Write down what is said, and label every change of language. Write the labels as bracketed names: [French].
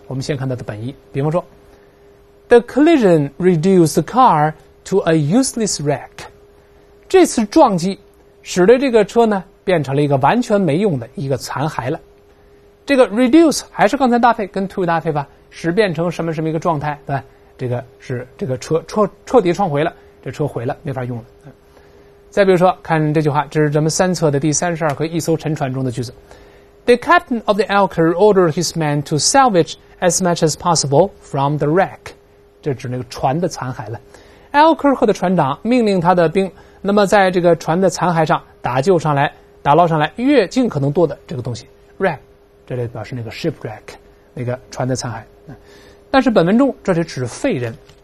[Chinese] 我们先看它的本意，比方说 [English] The collision reduced the car to a useless wreck， [Chinese] 这次撞击使得这个车呢变成了一个完全没用的一个残骸了。这个 reduce 还是刚才搭配跟 to 搭配吧，使变成什么什么一个状态，对吧？这个是这个车彻底撞毁了，这车毁了没法用了。再比如说看这句话，这是咱们三册的第32和一艘沉船中的句子。 [English] The captain of the Elker ordered his men to salvage as much as possible from the wreck， [Chinese] 这指那个船的残骸了。 Elker 赫的船长命令他的兵，那么在这个船的残骸上打救上来，打捞上来越尽可能多的这个东西。 wreck 这里表示那个 shipwreck， 那个船的残骸。但是本文中这里指废人。